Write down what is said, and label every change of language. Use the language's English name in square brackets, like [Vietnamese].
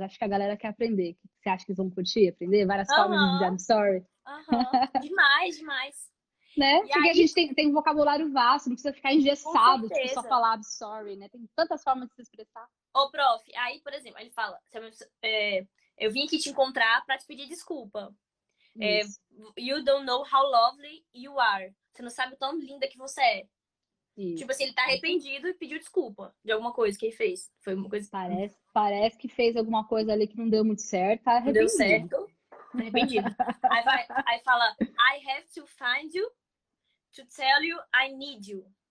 [Portuguese] Acho que a galera quer aprender. Você acha que eles vão curtir aprender várias formas de dizer [English] I'm sorry? [Portuguese] Demais, demais. Né? Porque aí, a gente tem um vocabulário vasto, não precisa ficar engessado, tipo, só falar [English] I'm sorry, [Portuguese] né? Tem tantas formas de se expressar. Ô, prof, aí, por exemplo, ele fala, é, eu vim aqui te encontrar pra te pedir desculpa. [English] É, you don't know how lovely you are. [Portuguese] Você não sabe o tão linda que você é. Isso. Tipo assim, ele tá arrependido e pediu desculpa de alguma coisa que ele fez. Foi uma coisa. Parece que fez alguma coisa ali que não deu muito certo. Tá arrependido. Deu certo. [English] Aí fala, I have to find you to tell you I need you.